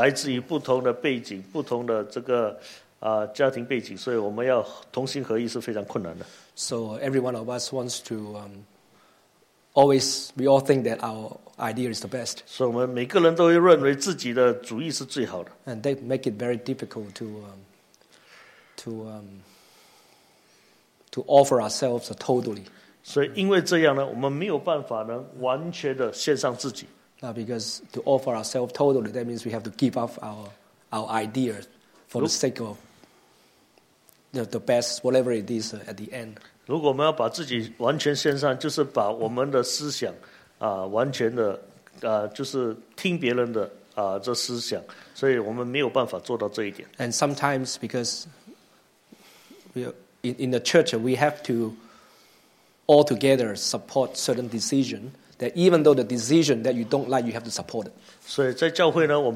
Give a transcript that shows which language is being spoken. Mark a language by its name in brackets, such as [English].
[Chinese] 因为我们大部分的人都是来自于不同的背景, 不同的这个, 家庭背景, 所以我们要同心合意是非常困难的。 [English] So every one of us wants to always, we all think that our idea is the best. [Chinese] 所以我们每个人都会认为自己的主意是最好的。 [English] And they make it very difficult to to offer ourselves totally. [Chinese] 所以因为这样呢，我们没有办法呢完全的献上自己。 [English] Now because to offer ourselves totally, that means we have to give up our ideas for the sake of the best, whatever it is at the end. [Chinese] 如果我们要把自己完全献上，就是把我们的思想完全的就是听别人的这思想，所以我们没有办法做到这一点。 [English] And sometimes because we in the church we have to all together support certain decision. That even though the decision that you don't like, you have to support it.